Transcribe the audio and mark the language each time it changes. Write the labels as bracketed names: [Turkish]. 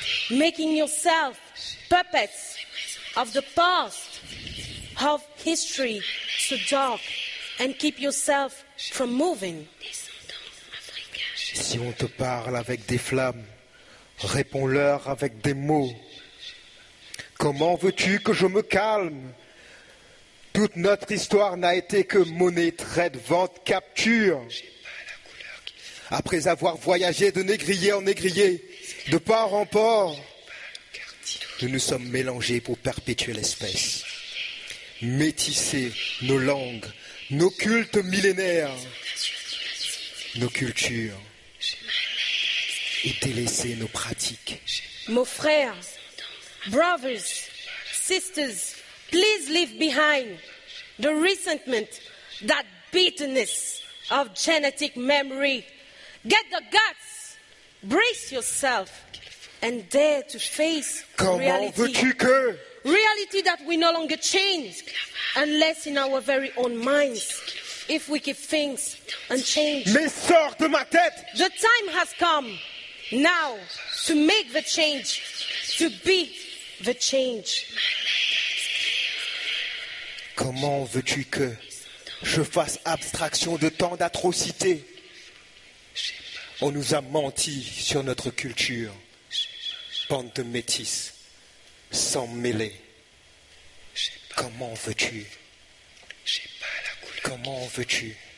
[English] Making yourself puppets of the past, of history so dark, and keep yourself from moving. [French] Si on te parle avec des flammes, réponds-leur avec des mots. Comment veux-tu que je me calme? Toute notre histoire n'a été que monnaie, trade, vente, capture. Après avoir voyagé de négrier en négrier, de port en port, nous nous sommes mélangés pour perpétuer l'espèce. Métisser nos langues, nos cultes millénaires, nos cultures, et délaisser nos pratiques. Mon frère, [English] brothers, sisters, please leave behind the resentment, that bitterness of genetic memory. Get the guts, brace yourself, and dare to face reality that we no longer change, unless in our very own minds, if we keep things unchanged. [French] Mais sors de ma tête. [English] The time has come, now, to make the change, to be the change. [French] Comment veux-tu que je fasse abstraction de tant d'atrocités? On nous a menti sur notre culture, bande de métis, sans mêler. Comment veux-tu? Comment veux-tu?